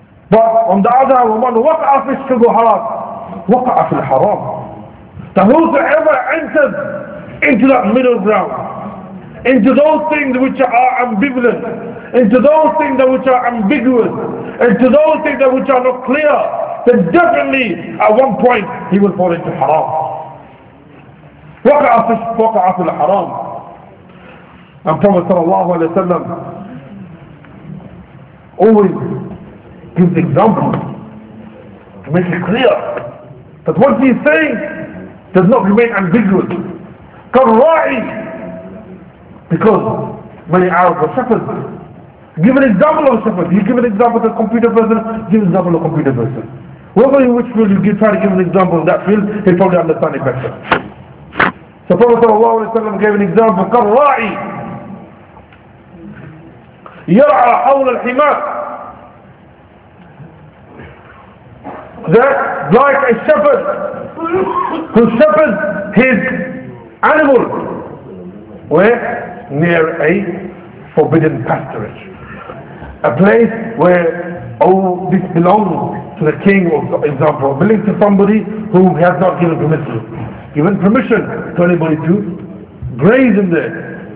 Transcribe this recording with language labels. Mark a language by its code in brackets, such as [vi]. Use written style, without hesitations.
[en] But on the other hand, [ar] ومن وقع في الشبهات وقع في الحرام. [en] So whosoever enters into that middle ground, into those things which are ambivalent, into those things that which are ambiguous, into those things that which are not clear, then definitely at one point he will fall into haram. [ar] وقع في الحرام. [en] And Prophet sallallahu alayhi wa sallam always gives examples to make it clear that what he is saying does not remain ambiguous. Karra'i, because many Arabs are shepherds. Give an example of a shepherd. You give an example to a computer person, give an example of a computer person. Whoever in which field you give, try to give an example in that field, he'll probably understand it better. So Prophet sallallahu alayhi wa sallam gave an example. [ar] Karra'i يرعى حول الحمار. [en] That like a shepherd who shepherds his animal where? Near a forbidden pasturage. A place where all this belongs to the king, for example, belongs to somebody whom he has not given permission to anybody to graze in there.